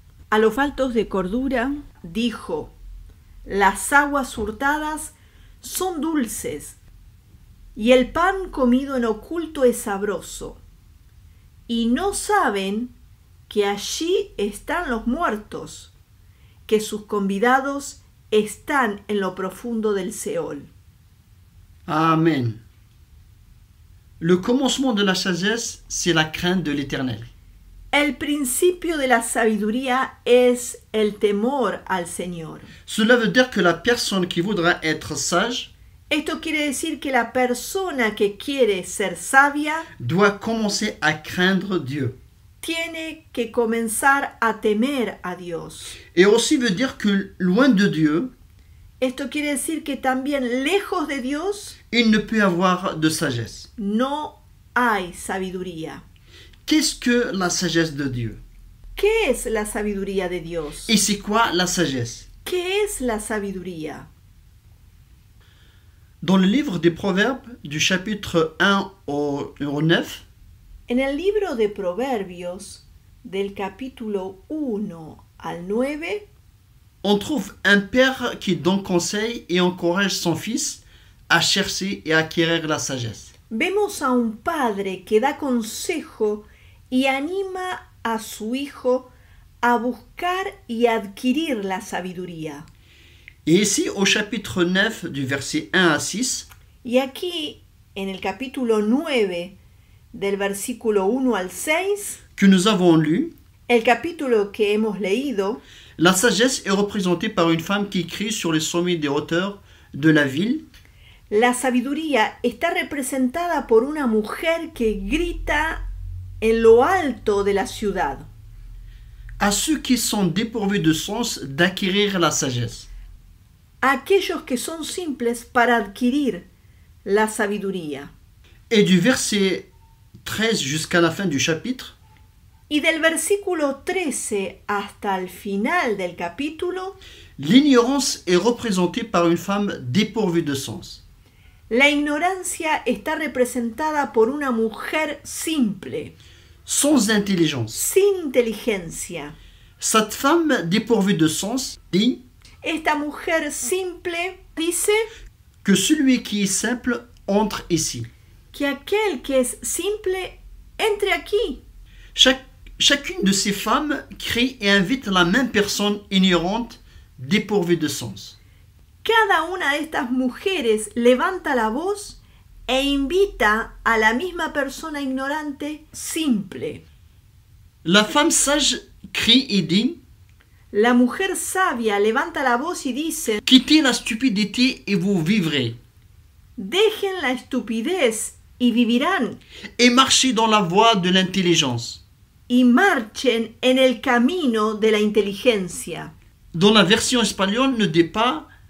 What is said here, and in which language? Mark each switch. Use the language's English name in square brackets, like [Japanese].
[Spanish] A los faltos de cordura, dijo, las aguas hurtadas son dulces y el pan comido en oculto es sabroso. Y no saben que allí están los muertos, que sus convidados están en lo profundo del Seol. Amén. [French] Le commencement de la sagesse, c'est la crainte de l'Éternel. [Spanish] El principio de la sabiduría es el temor al Señor. [French] Cela veut dire que la personne qui voudra être sage, [Spanish] esto quiere decir que la persona que quiere ser sabia, [French] doit commencer à craindre Dieu. [Spanish] Tiene que comenzar a temer a Dios. [French] Et aussi veut dire que loin de Dieu, [Spanish] esto quiere decir que también lejos de Dios, [French] il ne peut avoir de sagesse. [Spanish] No hay sabiduría. [French] Qu'est-ce que la sagesse de Dieu? [Spanish] ¿Qué es la sabiduría de Dios? [French] Et c'est quoi la sagesse? [Spanish] ¿Qué es la sabiduría? [French] Dans le livre des Proverbes, du chapitre 1 au 9, [Spanish] en el libro de Proverbios, del capítulo 1 al 9, [French] on trouve un père qui donne conseil et encourage son fils à chercher et à acquérir la sagesse. [Spanish] Vemos a un padre que da consejo y anima a su hijo a buscar y adquirir la sabiduría. Y [French] ici, au chapitre 9, du verset 1 à 6, [Spanish] y aquí, en el capítulo 9, del versículo 1 al 6, [French] que nous avons lu, [Spanish] el capítulo que hemos leído, [French] la sagesse est représentée par une femme qui crie sur les sommets des hauteurs de la ville. [Spanish] La sabiduría está representada por una mujer que grita en lo alto de la ciudad. [French] A ceux qui sont dépourvus de sens d'acquérir la sagesse. [Spanish] A aquellos que son simples para adquirir la sabiduría. [French] Et du verset 13 jusqu'à la fin du chapitre. [Spanish] Y del versículo 13 hasta el final del capítulo. [French] L'ignorance est représentée par une femme dépourvue de sens. [Spanish] La ignorancia está representada por una mujer simple. [French] Sans intelligence. [Spanish] Sin inteligencia. [French] Cette femme dépourvue de sens dit. [Spanish] Esta mujer simple dice. [French] Que celui qui est simple entre ici. [Spanish] Que aquel que es simple entre aquí. [French] Chacune de ces femmes crie et invite la même personne ignorante dépourvue de sens. [Spanish] Cada una de estas mujeres levanta la voz e invita a la misma persona ignorante simple. [French] La femme sage crie [Spanish] y [French] dit. [Spanish] La mujer sabia levanta la voz y dice. [French] Quittez la stupidité et vous vivrez. [Spanish] Dejen la estupidez y vivirán. [French] Et marchez dans la voie de l'intelligence. [Spanish] Y marchen en el camino de la inteligencia. [French] Dans la version espagnole ne dit pas.